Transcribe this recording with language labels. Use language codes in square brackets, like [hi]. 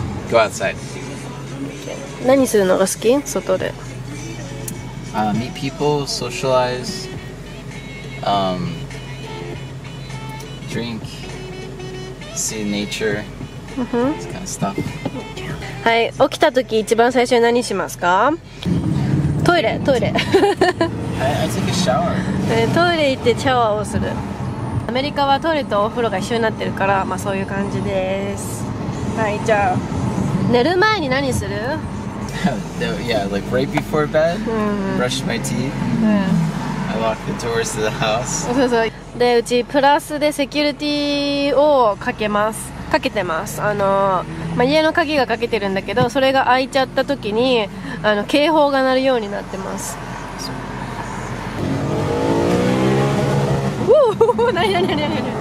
[en] Go outside. [ja] 何するのが好き？外で。 [en] Meet people, socialize, drink, see nature, this kind of stuff. [ja] はい、起きた時一番最初に何しますか？トイレ、トイレ。 [en] I take a shower. [ja] トイレ行ってシャワーをする。アメリカはトイレとお風呂が一緒になってるから、まあそういう感じです。はい、じゃあ寝る前に何する？ [en] Yeah, like right before bed, brush my teeth, I lock the doors to the house. [ja] そうそう。で、うちプラスでセキュリティをかけます。かけてます。まあ、家の鍵がかけてるんだけど、それが開いちゃった時に、警報が鳴るようになってます。おー、なになになになに。